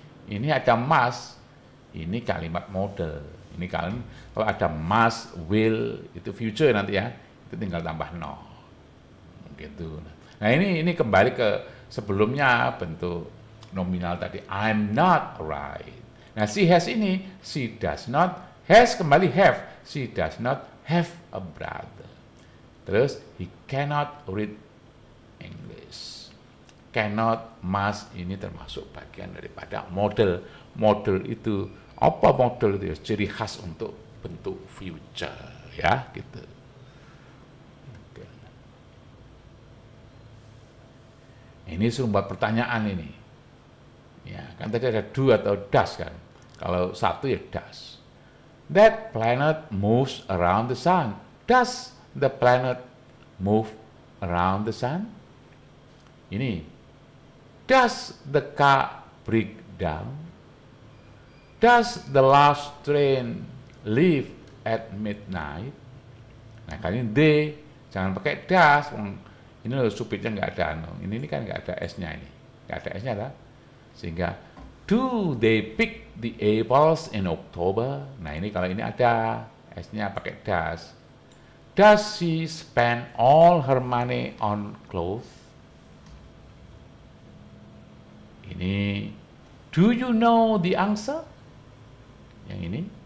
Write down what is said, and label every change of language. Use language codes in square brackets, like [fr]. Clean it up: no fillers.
[id] Ini ada must. Ini kalimat modal. Ini kalau ada must, will, itu future nanti ya. Itu tinggal tambah no. Gitu. Nah ini kembali ke sebelumnya bentuk nominal tadi, [en] I'm not right. Nah, she has ini, she does not, has kembali have, she does not have a brother. Terus, he cannot read English. [id] Cannot, must, ini termasuk bagian daripada model. Model itu, apa model itu? Ciri khas untuk bentuk future, ya, gitu. Ini suruh buat pertanyaan ini. Ya, kan tadi ada do atau does kan. Kalau satu ya does. [en] That planet moves around the sun. Does the planet move around the sun? Ini. Does the car break down? Does the last train leave at midnight? [id] Nah, kali ini they, jangan pakai does. Ini loh supitnya nggak ada anu. Ini kan nggak ada S-nya ini. Nggak ada S-nya lah. [en] Sehingga, do they pick the apples in October? [id] Nah ini kalau ini ada, S-nya pakai does. [en] Does she spend all her money on clothes? Ini, do you know the answer? [id] Yang ini.